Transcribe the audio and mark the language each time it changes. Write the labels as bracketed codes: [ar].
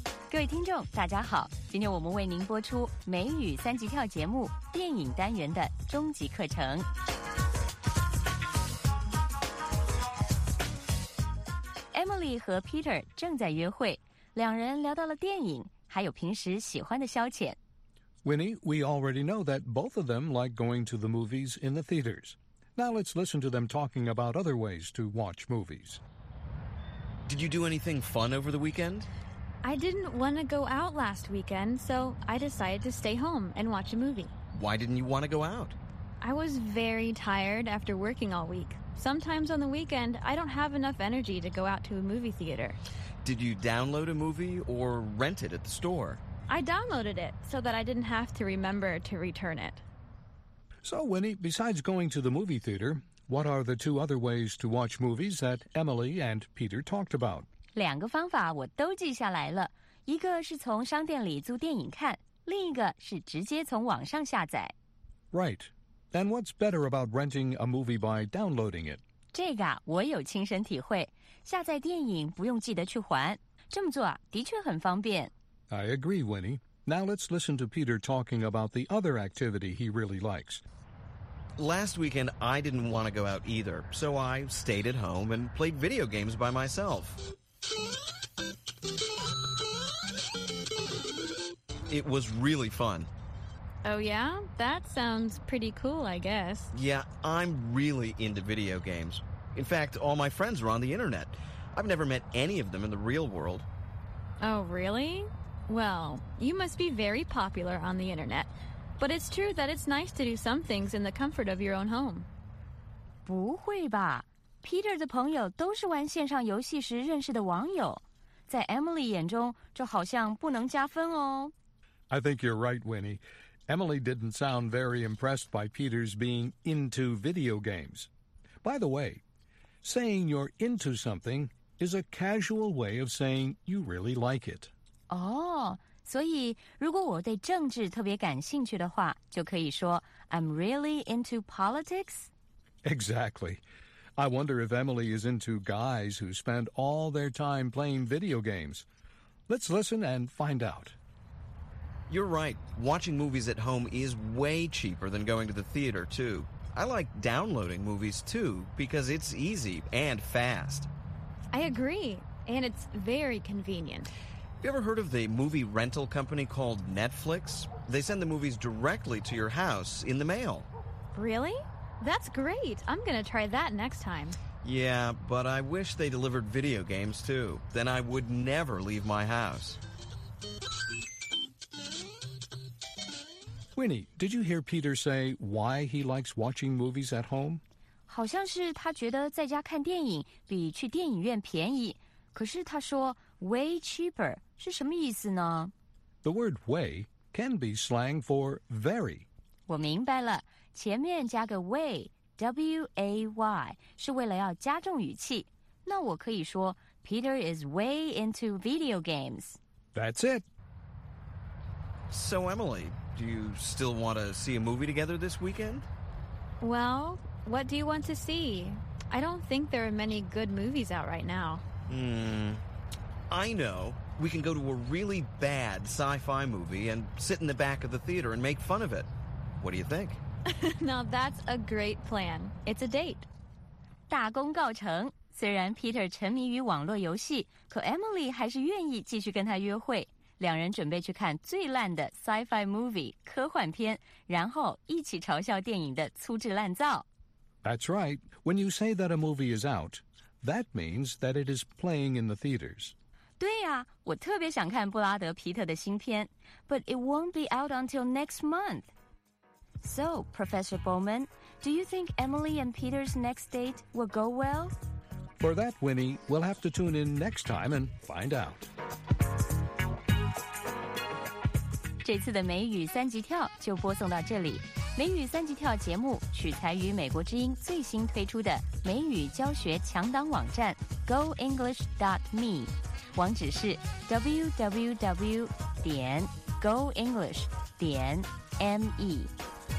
[zh] 各位听众大家好，今天我们为您播出美语三级跳节目电影单元的终极课程。 Emily 和 Peter 正在约会，两人聊到了电影，还有平时喜欢的消遣。 [en] Winnie, we already know that both of them like going to the movies in the theaters. Now let's listen to them talking about other ways to watch movies. Did you do anything fun over the weekend? I didn't want to go out last weekend, so I decided to stay home and watch a movie. Why didn't you want to go out? I was very tired after working all week. Sometimes on the weekend, I don't have enough energy to go out to a movie theater. Did you download a movie or rent it at the store? I downloaded it so that I didn't have to remember to return it. So, Winnie, besides going to the movie theater, what are the two other ways to watch movies that Emily and Peter talked about? [zh] 两个方法我都记下来了。一个是从商店里租电影看，另一个是直接从网上下载。 [en] Right. And what's better about renting a movie by downloading it? [zh] 这个我有亲身体会。下载电影不用记得去还。这么做的确很方便。 [en] I agree, Winnie. Now let's listen to Peter talking about the other activity he really likes. Last weekend, I didn't want to go out either, so I stayed at home and played video games by myself. It was really fun. Oh, yeah? That sounds pretty cool, I guess. Yeah, I'm really into video games. In fact, all my friends are on the internet. I've never met any of them in the real world. Oh, really? Well, you must be very popular on the internet. But it's true that it's nice to do some things in the comfort of your own home. [zh] 不会吧。 Peter 的朋友都是玩线上游戏时认识的网友。在 Emily 眼中，这好像不能加分哦。 [en] I think you're right, Winnie. Emily didn't sound very impressed by Peter's being into video games. By the way, saying you're into something is a casual way of saying you really like it. [zh] 哦、oh, ，所以如果我对政治特别感兴趣的话，就可以说 [en] I'm really into politics. Exactly. I wonder if Emily is into guys who spend all their time playing video games. Let's listen and find out. You're right. Watching movies at home is way cheaper than going to the theater, too. I like downloading movies, too, because it's easy and fast. I agree. And it's very convenient. Have you ever heard of the movie rental company called Netflix? They send the movies directly to your house in the mail. Really? That's great. I'm going to try that next time. Yeah, but I wish they delivered video games too. Then I would never leave my house. Winnie, did you hear Peter say why he likes watching movies at home? [zh] 好像是他觉得在家看电影比去电影院便宜。可是他说 [en] way cheaper. [zh] 是什么意思呢? [en] The word way can be slang for very. [zh] 我明白了,前面加个 way, W-A-Y, 是为了要加重语气。那我可以说, [en] Peter is way into video games. That's it. So Emily, do you still want to see a movie together this weekend? Well, what do you want to see? I don't think there are many good movies out right now. I know. We can go to a really bad sci-fi movie and sit in the back of the theater and make fun of it. What do you think? Now that's a great plan. It's a date. [zh] 大功告成。虽然 Peter 沉迷于网络游戏，可 Emily 还是愿意继续跟他约会。两人准备去看最烂的 sci-fi movie 科幻片，然后一起嘲笑电影的粗制滥造。 [en] That's right. When you say that a movie is out, that means that it is playing in the theaters. [zh] 对呀、啊，我特别想看布拉德·皮特的新片 ， [en] But it won't be out until next month. So, Professor Bowman, do you think Emily and Peter's next date will go well? For that, Winnie, we'll have to tune in next time and find out. [zh] 这次的美语三级跳就播送到这里。美语三级跳节目取材于美国之音最新推出的美语教学强档网站 GoEnglish.me。网址是 www.goenglish.me。